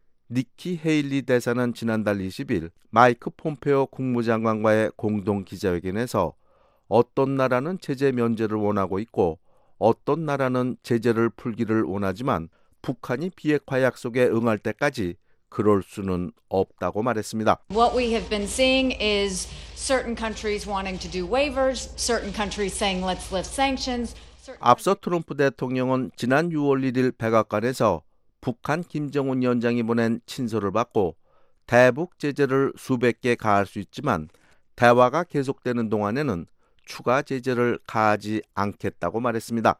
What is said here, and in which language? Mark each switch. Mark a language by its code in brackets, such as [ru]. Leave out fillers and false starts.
[ko] 니키 헤일리 대사는 지난달 20일 마이크 폼페오 국무장관과의 공동 기자회견에서 어떤 나라는 제재 면제를 원하고 있고 어떤 나라는 제재를 풀기를 원하지만 북한이 비핵화 약속에 응할 때까지 그럴 수는 없다고 말했습니다. [en] What we have been seeing is certain countries wanting to do waivers, certain countries saying let's lift sanctions. [ko] 앞서 트럼프 대통령은 지난 6월 1일 백악관에서 북한 김정은 위원장이 보낸 친서를 받고 대북 제재를 수백 개 가할 수 있지만 대화가 계속되는 동안에는 추가 제재를 가하지 않겠다고 말했습니다.